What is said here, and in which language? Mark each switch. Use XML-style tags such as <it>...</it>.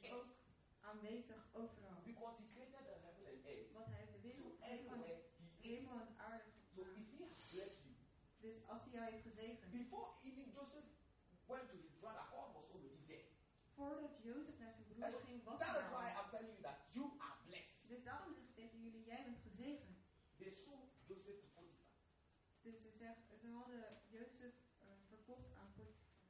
<nl>is ook aanwezig overal.</nl> <en>Because he created the heaven and earth.</en> <nl>Want hij heeft de wereld en hemel en aarde gemaakt.</nl> <en>So if he has blessed you.</en> <nl>Dus als hij jou heeft gezegend.</nl> <en>Before even Joseph went to his brother, God was already there.</en> <nl>Voordat Jozef naar zijn broer ging, was dat is</nl> <en>why I'm telling you that you are blessed.</en> <nl>Dus daarom zeg ik tegen jullie, jij bent gezegend.</nl> <en>They sold Joseph to Potiphar.</en> <nl>Dus ze hadden Jozef verkocht aan Potiphar.</nl>